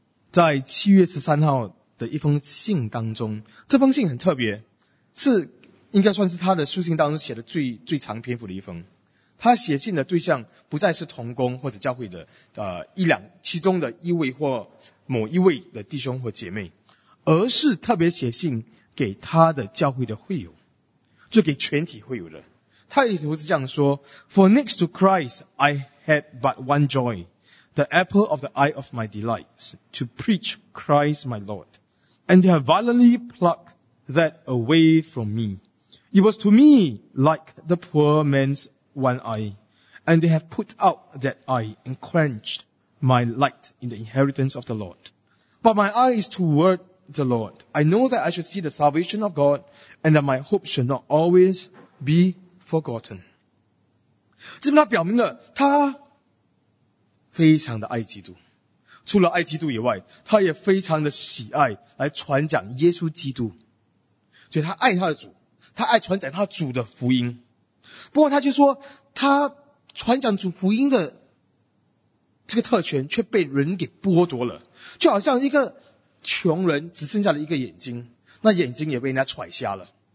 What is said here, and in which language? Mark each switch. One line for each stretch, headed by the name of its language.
Chinese: 在7月13号的一封信当中，这封信很特别，是应该算是他的书信当中写的最长篇幅的一封。他写信的对象不再是同工或者教会的其中的一位或某一位的弟兄或姐妹，而是特别写信给他的教会的会友，就给全体会友的。他里头是这样说，
English: For next to Christ I had but one joy, the apple of the eye of my delights, to preach Christ my Lord, and they have violently plucked that away from me. It was to me like the poor man's one eye, and they have put out that eye and quenched my light in the inheritance of the Lord. But my eye is toward the Lord. I know that I should see the salvation of God, and that my hope should not always be forgotten.
Chinese: 这边他表明了他非常的爱基督，除了爱基督以外，他也非常的喜爱来传讲耶稣基督，所以他爱他的主，他爱传讲他主的福音。不过他却说，他传讲主福音的这个特权却被人给剥夺了，就好像一个穷人只剩下了一个眼睛，那眼睛也被人家踹瞎了。